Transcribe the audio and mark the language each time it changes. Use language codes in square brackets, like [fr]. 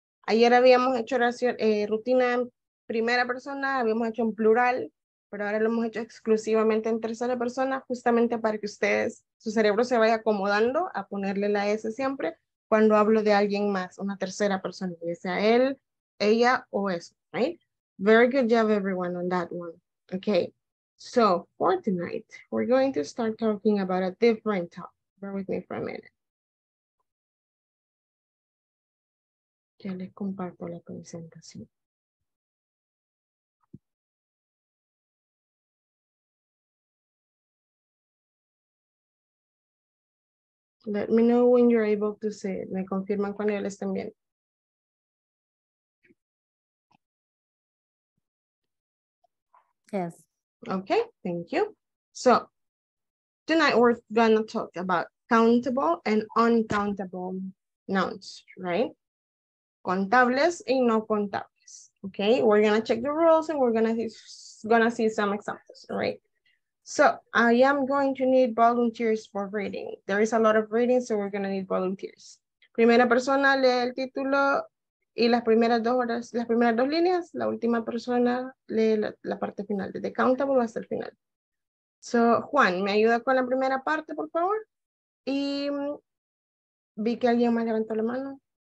[es] Ayer habíamos hecho rutina en primera persona, habíamos hecho en plural, pero ahora lo hemos hecho exclusivamente en tercera persona, justamente para que ustedes, su cerebro se vaya acomodando a ponerle la S siempre cuando hablo de alguien más, una tercera persona, ya sea él, ella o eso, [en] right? Very good job everyone on that one. Okay, so for tonight, we're going to start talking about a different topic. Bear with me for a minute. [es] Ya les comparto la presentación. [en] Okay. Let me know when you're able to see it. [es] Me confirman cuando lo estén viendo. [en] Yes. Okay, thank you. So tonight we're going to talk about countable and uncountable nouns, right? [es] Contables and no contables. [en] Okay, we're going to check the rules and we're going to see some examples, right? So I am going to need volunteers for reading. There is a lot of reading, so we're going to need volunteers. [es] Primera persona lee el título y las primeras dos líneas, la última persona lee la parte final, [en] desde countable hasta el final. So Juan, [es] ¿me ayuda con la primera parte, por favor? Y vi que alguien me levantó la mano.